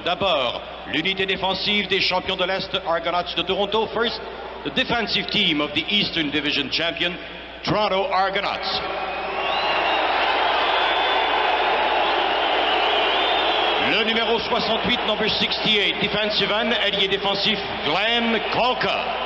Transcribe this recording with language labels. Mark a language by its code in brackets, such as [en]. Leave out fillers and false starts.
[fr] D'abord, l'unité défensive des champions de l'Est, Argonauts de Toronto. [en] First, the defensive team of the Eastern Division champion, Toronto Argonauts. [fr] Le numéro 68, [en] number 68, defensive end, [fr] allié défensif, Glenn Kolka.